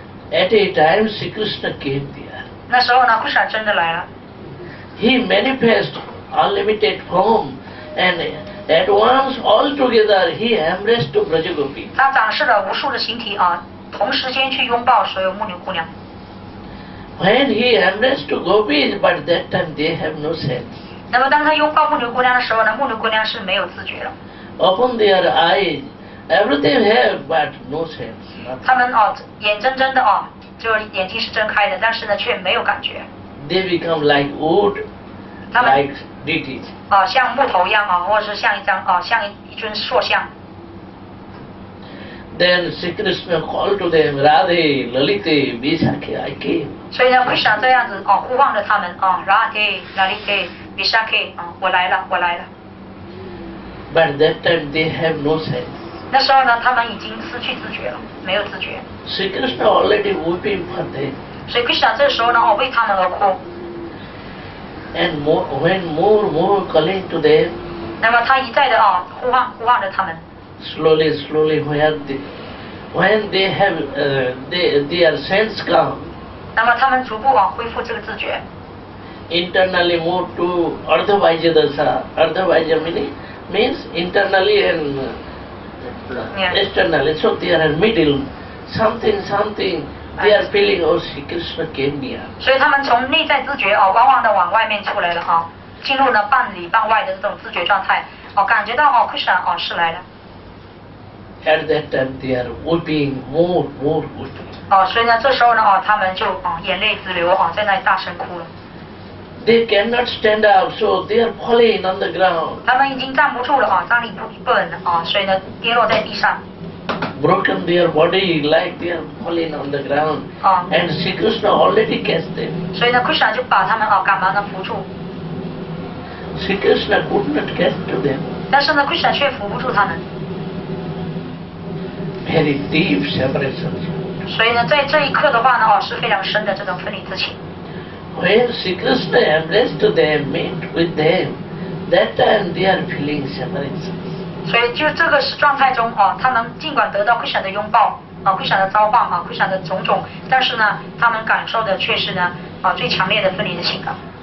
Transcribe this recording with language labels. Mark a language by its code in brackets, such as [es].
[en] At a time, Sri Krishna came there. [zh] 那时候呢，Krishna 真的来了。 [en] He manifest unlimited form, and at once all together he embraced Brajagopi. [zh] 他展示了无数的形体，同时间去拥抱所有牧女姑娘。 [en] When he embraced Gopis, but that time they have no sense. [zh] 那么当他拥抱牧女姑娘的时候呢，牧女姑娘是没有自觉了。 [en] Open their eyes, everything have but no sense. [zh] 他们眼睁睁的，就眼睛是睁开的，但是呢却没有感觉。 [en] They become like wood, like deities. [zh] 像木头一样，或者是像一尊塑像。 [en] Then Sri Krishna called to them, Radhe, Lalite, Vishakhe, I came. [zh] 所以呢，Krishna这样子呼唤着他们，Radhe, Lalite, Vishakhe, 我来了。 [en] But that time they have no sense. [zh] 那时候呢，他们已经失去自觉了，没有自觉。 [en] Sri Krishna already weeping for them. [zh] 所以 Krishna 这时候呢，为他们而哭。 [en] And more calling to them. [zh] 那么他一再的呼唤着他们。 [en] Slowly, when their sense come. [zh] 那么他们逐步恢复这个自觉。 [en] Internally more to [sa] ardha vajya dasa [en] means internally and externally, so they are in middle, something They are feeling, oh, Sri Krishna came near. [zh] 所以他们从内在自觉哦，往往的往外面出来了哈，进入了半里半外的这种自觉状态哦，感觉到哦 ，Krishna 哦是来了。 [en] At that time, they are weeping more, more weeping. [zh] 哦，所以呢，这时候呢，哦，他们就哦眼泪直流哦，在那里大声哭了。 [en] They cannot stand up, so they are falling on the ground. [zh] 他们已经站不住了哦，站立不稳哦，所以呢，跌落在地上。 [en] Broken their body, like they are falling on the ground. 哦。 And Sri Krishna already catch them. [zh] 所以呢 ，Krishna 就把他们哦，赶忙的扶住。 [en] Sri Krishna could not catch to them. [zh] 但是呢 ，Krishna 却扶不住他们。 [en] Very deep separation. [zh] 所以呢，在这一刻的话呢，哦，是非常深的这种分离之情。 [en] When Sri Krishna embraced them, met with them, that time they are feeling separation. [zh] 所以就这个状态中哦，他们尽管得到 Krishna 的拥抱，啊 ，Krishna 的召唤，啊 ，Krishna 的种种，但是呢，他们感受的却是呢，啊，最强烈的分离的情感。